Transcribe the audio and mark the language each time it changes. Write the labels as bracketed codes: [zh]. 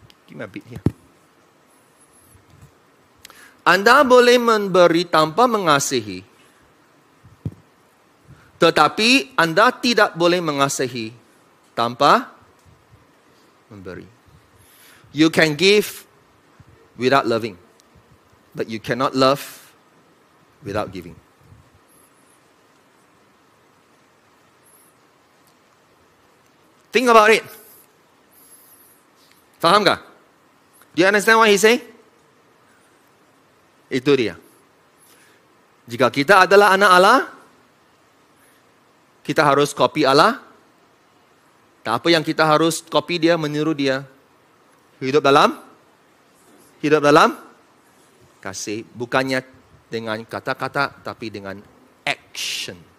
[id] Gimana bitnya? [ms] Anda boleh memberi tanpa mengasihi. Tetapi Anda tidak boleh mengasihi tanpa memberi. [en] You can give without loving. But you cannot love without giving. Think about it. [ms] Faham ga? [en] Do you understand what he say? [ms] Itu dia. Jika kita adalah anak Allah, kita harus copy Allah. Tak apa yang kita harus copy dia, meniru dia. Hidup dalam kasih, bukannya dengan kata-kata tapi dengan action.